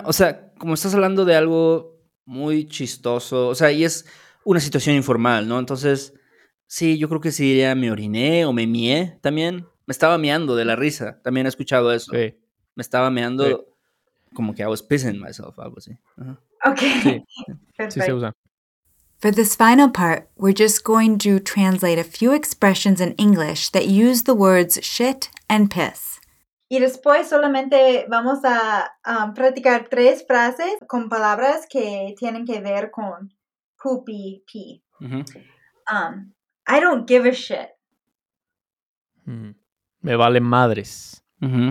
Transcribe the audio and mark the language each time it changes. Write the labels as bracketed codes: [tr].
[es] Sí. O sea, como estás hablando de algo muy chistoso. O sea, y es una situación informal, ¿no? Entonces, sí, yo creo que sí diría me oriné o me mié también. Me estaba meando de la risa. También he escuchado eso. Sí. Me estaba meando como que [en] I was pissing myself, [es] algo así. Uh-huh. Ok. Sí. Sí, se usa. [en] For this final part, we're just going to translate a few expressions in English that use the words shit and piss. [es] Y después solamente vamos a practicar tres frases con palabras que tienen que ver con [en] poopy, pee. Mm-hmm. I don't give a shit. [es] Me vale madres. Mm-hmm.